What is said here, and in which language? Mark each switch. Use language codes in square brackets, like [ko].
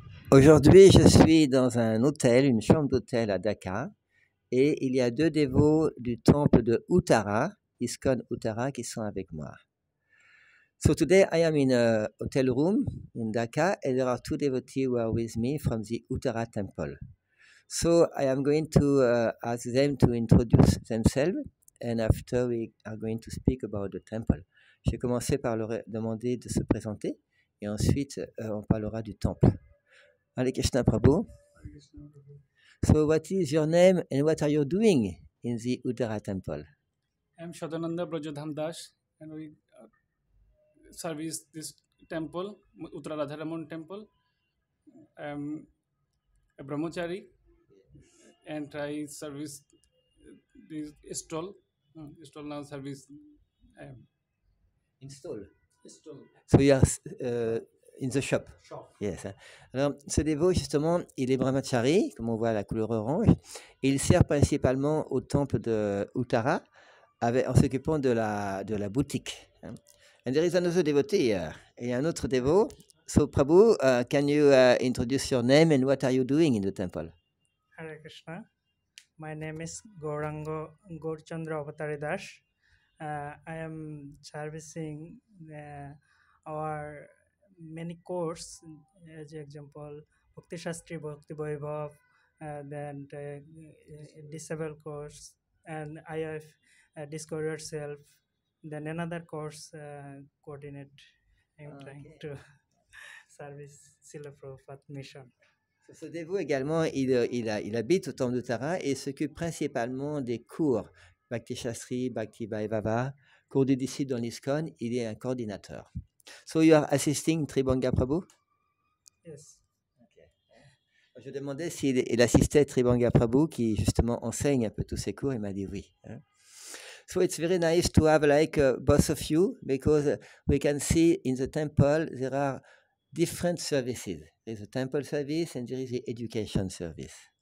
[fr] Aujourd'hui, je suis dans un hôtel, une chambre d'hôtel à Dacca, et il y a deux dévots du temple de Uttara, ISKCON Uttara, qui sont avec moi. [en] So today I am in a hotel room in Dacca, and there are two devotees who are with me from the Uttara temple. So I am going to ask them to introduce themselves, and after we are going to speak about the temple. [fr] Je vais commencer par leur demander de se présenter et ensuite on parlera du temple. [en] Hare Krishna Prabhu. So what is your name and what are you doing in the Uttara temple? I'm Shadananda Brajadhandash and we service this temple, Uttara Radharaman temple. I'm a brahmachari and I service this stall now service. Install. So you are in the shop. Yes. [fr] Alors, ce dévot, justement, il est brahmachari, comme on voit la couleur orange. Il sert principalement au temple de Uttara avec, en s'occupant de la boutique. [en] And there is another devotee. [fr] Il y a un autre dévot. [en] So, Prabhu, can you introduce your name and what are you doing in the temple? Hare Krishna. My name is Gaurango Gorchandra Avatari Dash. I am servicing our many course, as example, Bhakti Shastri, Bhakti Vaibhav, then disabled course, and IIF, discover yourself, then another course coordinate. I'm trying to service Srila Prabhupada mission. [fr] Ce dévot également, il habite au temple de Tara et s'occupe principalement des cours. Bhakti Shastri, Bhakti Vaibhava, cours des disciples dans l'ISKCON, il est un coordinateur. [en] So you are assisting Tribhanga Prabhu? Yes. Okay. [fr] Je demandais s'il assistait Tribhanga Prabhu, qui justement enseigne un peu tous ses cours, il m'a dit oui. [en] So it's very nice to have like both of you, because we can see in the temple there are different services. There's a temple service and there is the education service.